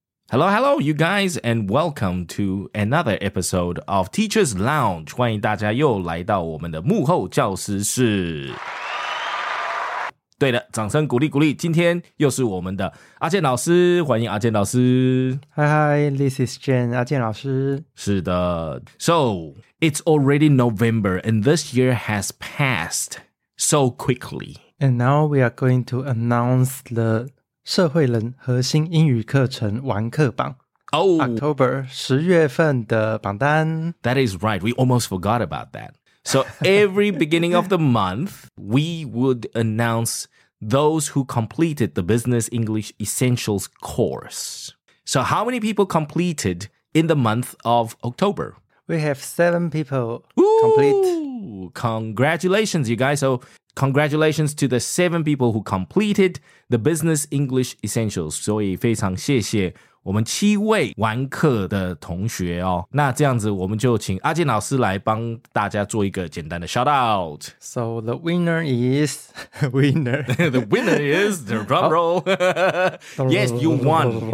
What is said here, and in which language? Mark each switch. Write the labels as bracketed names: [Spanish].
[English] Hello, hello, you guys, and welcome to another episode of Teacher's Lounge. [Chinese] 欢迎大家又来到我们的幕后教师室。对的，掌声鼓励鼓励。今天又是我们的阿健老师，欢迎阿健老师。 [English] Hi, hi, this is Jen, 阿健老师。 [Chinese] 是的。 [English] So, it's already November, and this year has passed so quickly. And now we are going to announce the... [Chinese] 社会人核心英语课程完课榜、 oh, October 十月份的榜单。 [English] That is right, we almost forgot about that. So every beginning of the month, we would announce those who completed the Business English Essentials course. So how many people completed in the month of October? We have 7 people complete. Congratulations, you guys. So congratulations to the 7 people who completed the Business English Essentials. [Chinese] 所以非常谢谢我们七位完课的同学哦。那这样子我们就请阿健老师来帮大家做一个简单的 shout out. [English] So the winner is... winner. The winner is... the drum roll. Yes, you won.